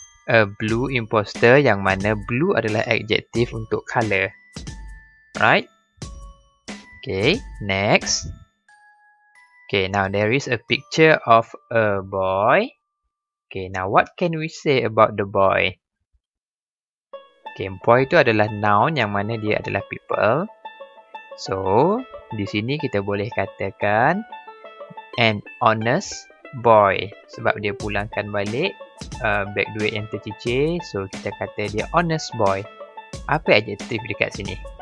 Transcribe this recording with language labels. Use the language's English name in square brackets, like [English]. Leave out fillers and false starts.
[English] A blue imposter [Malay] yang mana blue adalah adjective untuk colour. [English] Right. Okay, next. Okay, now there is a picture of a boy. Okay, now what can we say about the boy? [Malay] Okay, boy itu adalah noun yang mana dia adalah people. So, di sini kita boleh katakan [English] an honest boy. [Malay] Sebab dia pulangkan balik beg duit yang tercicir. So, kita kata dia [English] honest boy. [Malay] Apa adjective dekat sini?